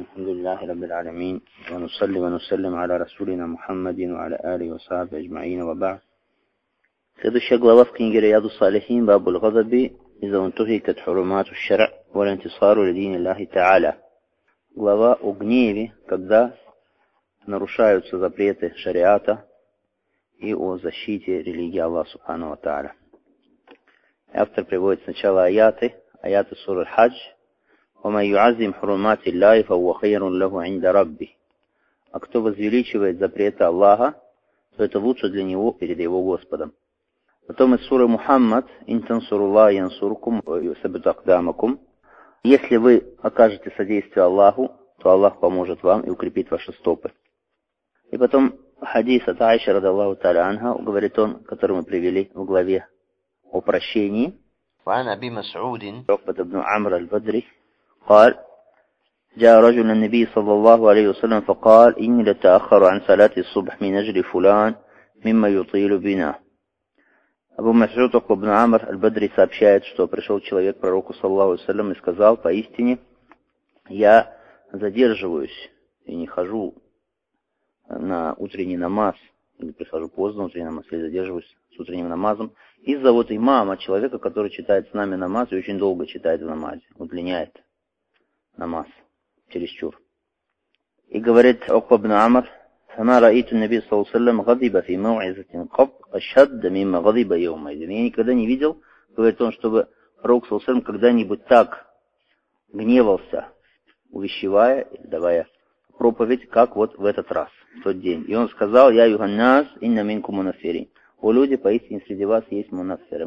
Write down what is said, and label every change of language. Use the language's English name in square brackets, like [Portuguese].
[Arabic] الحمد لله رب العالمين، ونصلي ونسلم على رسولنا محمد وعلى آله وصحبه أجمعين، وبعد. قد الشغل وفق رياض الصالحين باب الغضب إذا انتهكت حرمات الشرع والانتصار لدين الله تعالى. [Russian] Глава о гневе, когда нарушаются запреты шариата и о защите религии Аллаха Субхану ва Тааля. Автор приводит сначала аяты суры Хадж. [Arabic] «ومن يعظم حرمات الله فهو خير له عند ربه». [Russian] А кто возвеличивает запреты Аллаха, то это лучше для него перед его Господом. Потом из суры Мухаммад. [Arabic] «إن تنصر الله ينصركم ويثبت أقدامكم». [Russian] Если вы окажете содействие Аллаху, то Аллах поможет вам и укрепит ваши стопы. И потом хадис от Аиши ради Аллаху Тааля анха, говорит он, который мы привели в главе о прощении. [Arabic] وعن أبي مسعود عقبة بن عمرو البدري قال جاء رجل النبي صلى الله عليه وسلم فقال إني لتأخر عن صلاة الصبح من أجل فلان مما يطيل بنا. [Russian] Абу Масуд ибн Амр аль-Бадри сообщает, что пришел человек к пророку саллаллаху алейхи ва саллям и сказал: «Поистине, я задерживаюсь и не хожу на утренний намаз, или прихожу поздно на утренний намаз, или задерживаюсь с утренним намазом из-за вот имама, человека, который читает с нами намаз и очень долго читает в намазе, удлиняет намаз чересчур». И говорит [Arabic] Укба ибн Амр: فَمَا رَأَيْتُ النَّبِيَّ صَلَّى اللَّهُ عَلَيْهِ وَسَلَّمَ غَضِبَ فِي مَوْعِظَةٍ قَطْ أَشَدَّ مِمَّا غَضِبَ يَوْمَئِذٍ. [Russian] Я никогда не видел, говорит он, чтобы пророк саллаллаху алейхи ва саллям когда-нибудь так гневался, увещевая, давая проповедь, как вот в этот раз, в тот день. И он сказал: [Arabic] «Я юханнас инна минку мунафирин». [Russian] О люди, поистине среди вас есть мунафиры.